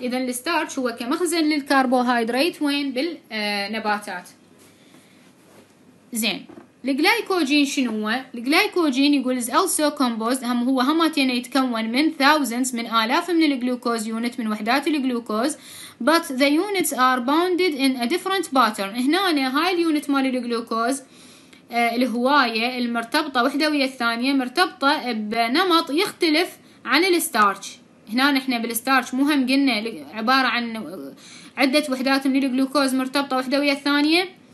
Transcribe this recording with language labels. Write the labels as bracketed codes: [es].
[ar] إذا الستارش هو كمخزن للكربوهيدرات وين؟ بالنباتات. زين، الجلايكوجين شنو؟ الجلايكوجين يقول [en] is also composed، [ar] هم هو همتين يتكون من thousands، من آلاف من الجلوكوز يونت، من وحدات الجلوكوز. [en] But the units are bounded in a different pattern. [ar] هنا أنا هاي اليونت مال الجلوكوز الهواية المرتبطة وحدة ويا الثانية مرتبطة بنمط يختلف عن الستارش. هنا نحن بالستارش مهم قلنا عبارة عن عدة وحدات من الجلوكوز مرتبطة وحدة ويا الثانية.